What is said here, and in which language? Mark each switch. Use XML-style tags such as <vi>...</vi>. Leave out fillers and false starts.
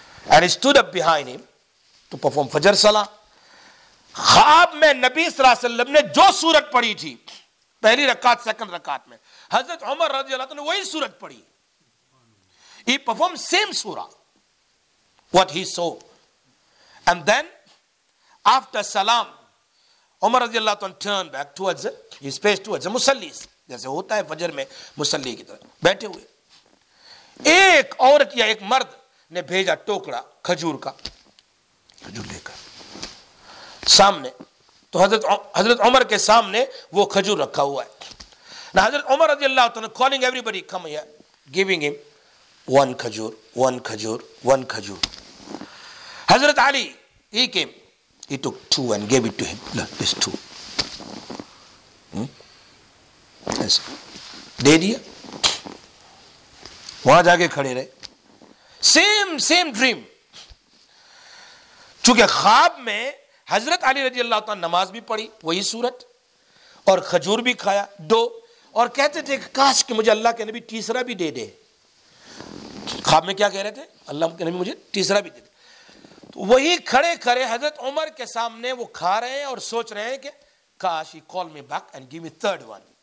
<en>And he stood up behind him to perform Fajr Salah.</en> <ur>خواب میں نبی صلی اللہ علیہ وسلم نے جو سورت پڑھی تھی پہلی رکعت سیکنڈ رکعت میں, حضرت عمر رضی اللہ عنہ نے وہی سورت پڑھی.</ur> <en>He performed same surah what he saw. And then after salam, Umar رضی اللہ عنہ turned back towards his face towards the musallis,</en> <ur>جیسے ہوتا ہے فجر میں مسلی کی طرح بیٹھے ہوئے. ایک عورت یا ایک مرد نے بھیجا ٹوکرا کھجور کا, کھجور لے کر سامنے, تو حضرت عمر کے سامنے وہ کھجور رکھا ہوا ہے.</ur> <en>نہ حضرت عمر رضی اللہ عنہ calling everybody come here, giving him one khajoor, one khajoor, one khajoor. حضرت Ali, he came, he took two and gave it to him. Look, this two. Yes.</en> <ur>دے دیا, وہاں جا کے کھڑے رہے.</ur> <en>Same dream.</en> <ur>چونکہ خواب میں حضرت علی رضی اللہ عنہ نماز بھی پڑھی وہی صورت, اور کھجور بھی کھایا دو, اور کہتے تھے کہ کاش کہ مجھے اللہ کے نبی تیسرا بھی دے دے. خواب میں کیا کہہ رہے تھے؟ اللہ کے نبی مجھے تیسرا بھی دے دے. تو وہی کھڑے کھڑے حضرت عمر کے سامنے وہ کھا رہے ہیں اور سوچ رہے ہیں کہ کاش</ur> <en>ہی call me back and give me third one.</en>